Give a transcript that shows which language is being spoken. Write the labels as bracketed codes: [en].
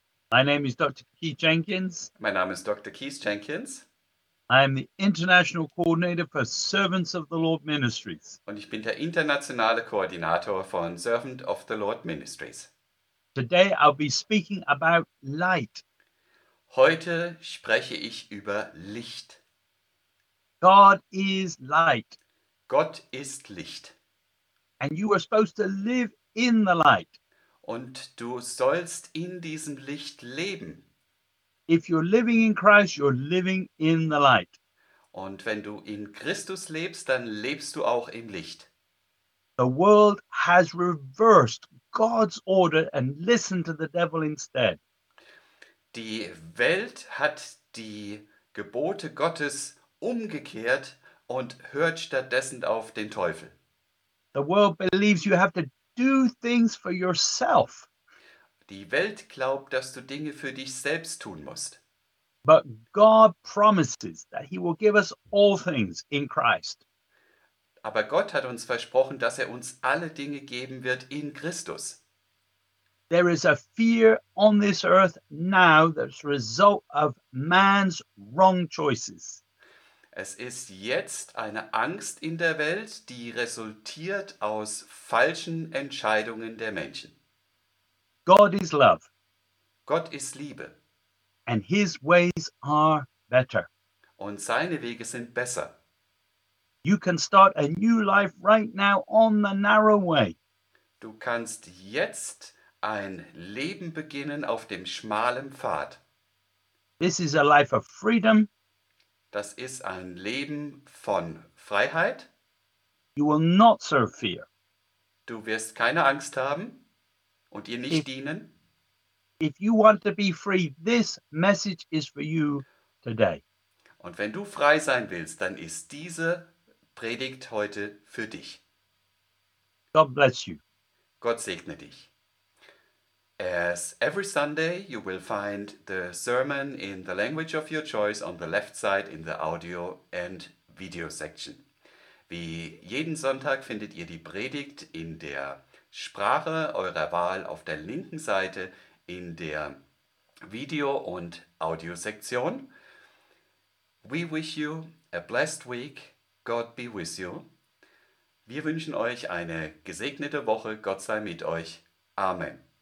[en] My name is Dr. Keith Jenkins. [de] Mein Name ist Dr. Keith Jenkins. [en] I am the International Coordinator for Servants of the Lord Ministries. [de] Und ich bin der internationale Koordinator von Servant of the Lord Ministries. [en] Today I'll be speaking about light. [de] Heute spreche ich über Licht. [en] God is light. [de] Gott ist Licht. [en] And you are supposed to live in the light. [de] Und du sollst in diesem Licht leben. [en] If you're living in Christ, you're living in the light. [de] Und wenn du in Christus lebst, dann lebst du auch im Licht. [en] The world has reversed God's order and listened to the devil instead. [de] Die Welt hat die Gebote Gottes umgekehrt und hört stattdessen auf den Teufel. [en] The world believes you have to do things for yourself. [de] Die Welt glaubt, dass du Dinge für dich selbst tun musst. [en] But God promises that he will give us all things in Christ. [de] Aber Gott hat uns versprochen, dass er uns alle Dinge geben wird in Christus. [en] There is a fear on this earth now that's a result of man's wrong choices. [de] Es ist jetzt eine Angst in der Welt, die resultiert aus falschen Entscheidungen der Menschen. [en] God is love. [de] Gott ist Liebe. [en] And his ways are better. [de] Und seine Wege sind besser. [en] You can start a new life right now on the narrow way. [de] Du kannst jetzt ein Leben beginnen auf dem schmalen Pfad. [en] This is a life of freedom. [de] Das ist ein Leben von Freiheit. [en] You will not serve fear. [de] Du wirst keine Angst haben und ihr nicht dienen. [en] If you want to be free, this message is for you today. [de] Und wenn du frei sein willst, dann ist diese Predigt heute für dich. [en] God bless you. [de] Gott segne dich. [en] As every Sunday, you will find the sermon in the language of your choice on the left side in the audio and video section. [de] Wie jeden Sonntag findet ihr die Predigt in der Sprache eurer Wahl auf der linken Seite in der Video- und Audio-Sektion. [en] We wish you a blessed week. God be with you. [de] Wir wünschen euch eine gesegnete Woche. Gott sei mit euch. Amen.